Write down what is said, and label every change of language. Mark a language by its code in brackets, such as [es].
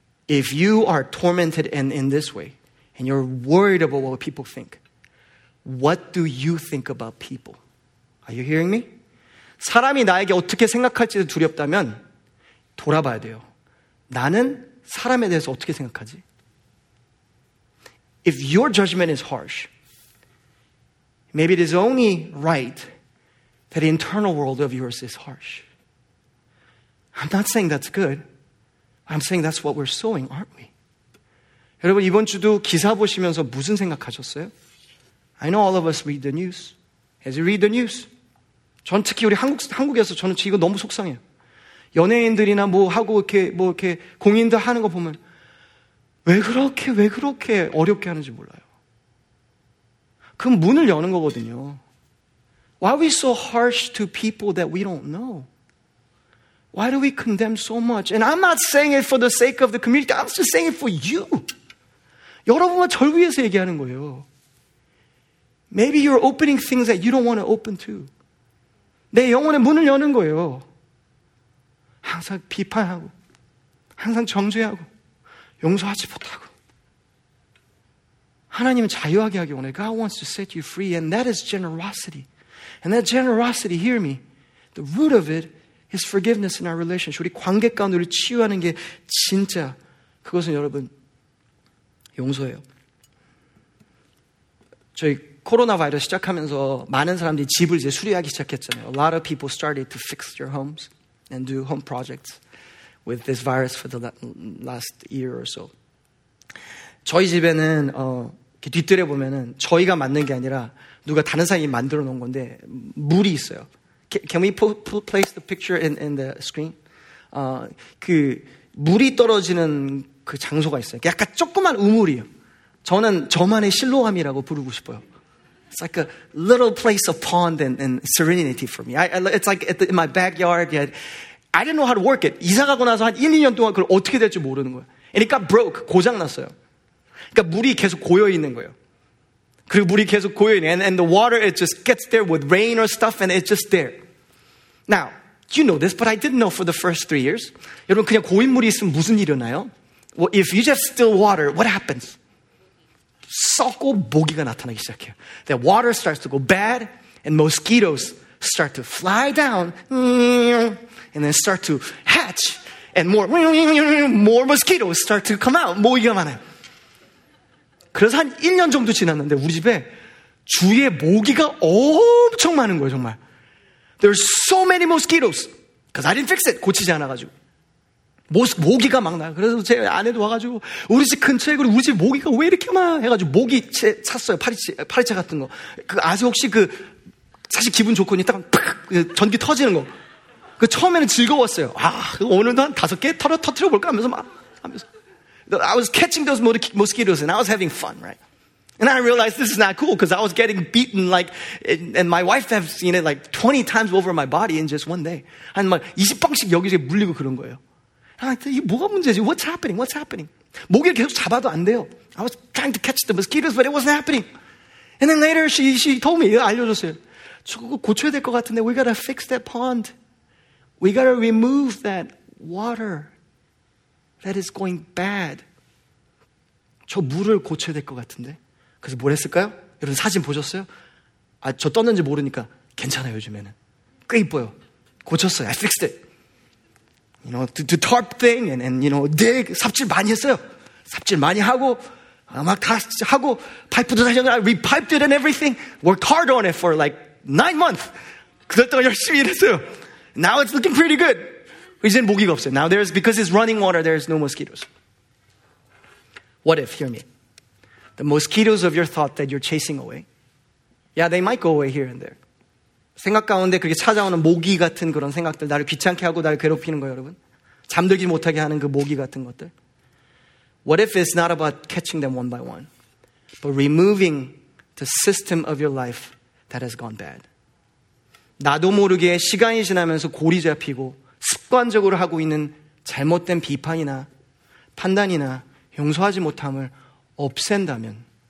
[en] If you are tormented in this way, and you're worried about what people think, what do you think about people? Are you hearing me? [ko] 사람이 나에게 어떻게 생각할지 두렵다면 돌아봐야 돼요. 나는 사람에 대해서 어떻게 생각하지? [en] If your judgment is harsh, maybe it is only right that the internal world of yours is harsh. I'm not saying that's good. I'm saying that's what we're sowing, aren't we? [ko] 여러분, 이번 주도 기사 보시면서 무슨 생각하셨어요? [en] I know all of us read the news. As you read the news, [ko] 전 특히 우리 한국에서 저는 이거 너무 속상해요. 연예인들이나 뭐 하고 이렇게 공인들 하는 거 보면 왜 그렇게 어렵게 하는지 몰라요. 그 문을 여는 거거든요. [en] Why are we so harsh to people that we don't know? Why do we condemn so much? And I'm not saying it for the sake of the community. I'm just saying it for you. [ko] 여러분과 절 위해서 얘기하는 거예요. [en] Maybe you're opening things that you don't want to open to. [ko] 내 영혼의 문을 여는 거예요. 항상 비판하고, 항상 정죄하고, 용서하지 못하고. 하나님은 자유하게 하기 원해. [en] God wants to set you free, and that is generosity. And that generosity, hear me, the root of it is forgiveness in our relationship. [ko] 우리 관계 가운데 우리 치유하는 게 진짜, 그것은 여러분, 용서예요. 저희 코로나 바이러스 시작하면서 많은 사람들이 집을 이제 수리하기 시작했잖아요. [en] A lot of people started to fix their homes. and do home projects with this virus for the last year or so. [ko] 저희 집에는 이렇게 뒤뜰에 보면은 저희가 만든 게 아니라 누가 다른 사람이 만들어 놓은 건데 물이 있어요. [en] Can we place the picture in the screen? [ko] 그 물이 떨어지는 그 장소가 있어요. 약간 조그만 우물이에요. 저는 저만의 실로암이라고 부르고 싶어요. [en] It's like a little place of pond and serenity for me. It's like in my backyard. Yet I didn't know how to work it. [ko] 이사 가고 나서 한 1, 2년 동안 그걸 어떻게 될지 모르는 거예요. [en] And it got broke. [ko] 고장 났어요. 그러니까 물이 계속 고여 있는 거예요. 그리고 물이 계속 고여 있는 [en] and the water it just gets there with rain or stuff and it's just there. Now, you know this, but I didn't know for the first 3 years. [ko] 여러분 그냥 고인 물이 있으면 무슨 일이 일어나요? [en] Well, if you just still water, what happens? [ko] 썩고 모기가 나타나기 시작해요. [en] The water starts to go bad and mosquitoes start to fly down and then start to hatch and more mosquitoes start to come out. [ko] 모기가 많아요. 그래서 한 1년 정도 지났는데 우리 집에 주위에 모기가 엄청 많은 거예요, 정말. [en] There's so many mosquitoes because I didn't fix it. [ko] 고치지 않아가지고. 모기가 막 나요. 그래서 제 아내도 와가지고 우리 집 근처에 그리고 우리 집 모기가 왜 이렇게 많아? 해가지고 모기 채 찼어요. 파리채 같은 거. 그 아주 혹시 그 사실 기분 좋거든요. 딱 팍 전기 터지는 거. 그 처음에는 즐거웠어요. 아 오늘도 한 5개 터트려 볼까 하면서. [en] I was catching those mosquitoes and I was having fun, right? And I realized this is not cool because I was getting beaten like, and my wife has seen it like 20 times over my body in just one day. [ko] 한 막 20방씩 여기저기 물리고 그런 거예요. 아, 이게 뭐가 문제지? [en] What's happening? What's happening? [ko] 모기를 계속 잡아도 안 돼요. [en] I was trying to catch the mosquitoes, but it wasn't happening. And then later, she told me, [ko] 알려줬어요. 저 그거 고쳐야 될 것 같은데, [en] we gotta fix that pond. We gotta remove that water that is going bad. [ko] 저 물을 고쳐야 될 것 같은데. 그래서 뭘 했을까요? 여러분 사진 보셨어요? 아, 저 떴는지 모르니까 괜찮아요, 요즘에는. 꽤 이뻐요. 고쳤어요. [en] I fixed it. You know, the tarp thing and you know, dig. [ko] 삽질 많이 했어요. 삽질 많이 하고, 막 다 하고, 파이프도 다시 하고, [en] I repiped it and everything. Worked hard on it for like 9 months. [ko] 그랬더니 열심히 일했어요. [en] Now it's looking pretty good. [ko] 이제는 모기가 없어요. [en] Now there's, because it's running water, there's no mosquitoes. What if, hear me, the mosquitoes of your thought that you're chasing away, yeah, they might go away here and there. [ko] 생각 가운데 그렇게 찾아오는 모기 같은 그런 생각들 나를 귀찮게 하고 나를 괴롭히는 거예요 여러분 잠들지 못하게 하는 그 모기 같은 것들 [en] What if it's not about catching them one by one but removing the system of your life that has gone bad [ko] 나도 모르게 시간이 지나면서 골이 잡히고 습관적으로 하고 있는 잘못된 비판이나 판단이나 용서하지 못함을 없앤다면